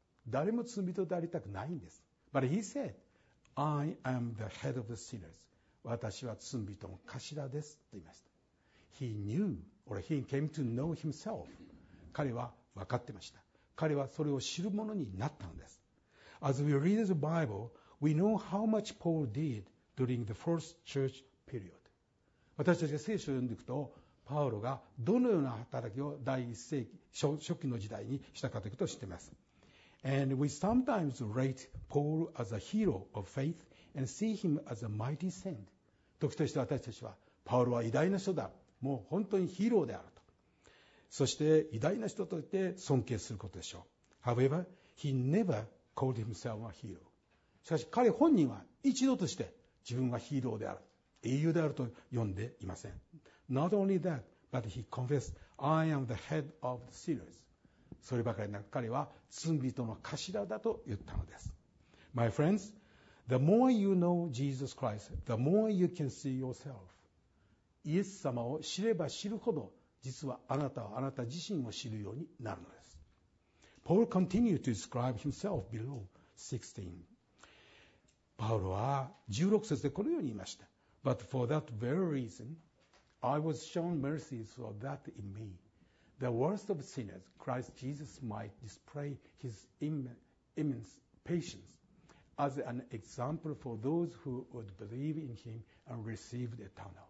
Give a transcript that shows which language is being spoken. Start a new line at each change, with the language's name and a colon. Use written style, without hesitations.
Japanese: 誰も罪人でありたくないんです。
English: But he said, I am the head of the sinners.
Japanese: 私は罪人の頭ですと言いました。
English: He knew, or he came to know himself.
Japanese: 彼は分かってました。彼はそれを知る者になったのです。
English: As we read the Bible, we know how much Paul did during the first church period.
Japanese: 私たちが聖書を読んでいくと、パウロがどのような働きを第一世紀、初期の時代にしたかということを知っています。
English: And we sometimes rate Paul as a hero of faith and see him as a mighty saint.
Japanese: 時として私たちは、パウロは偉大な人だ。もう本当にヒーローであると。そして偉大な人といって尊敬することでしょう。
English: However, he never called himself a hero.
Japanese: しかし彼本人は一度として自分はヒーローである。英雄であると読んでいません。
English: Not only that, but he confessed, I am the head of the sinners.
Japanese: そればかりなく彼は罪人の頭だと言ったのです。
English: My friends, the more you know Jesus Christ, the more you can see yourself.
Japanese: イエス様を知れば知るほど、実はあなたはあなた自身を知るようになるのです。
English: Paul continued to describe himself below 16.
Japanese: パウロは16節でこのように言いました。
English: But for that very reason, I was shown mercy so that in me, the worst of sinners, Christ Jesus might display his immense patience as an example for those who would believe in him and receive eternal.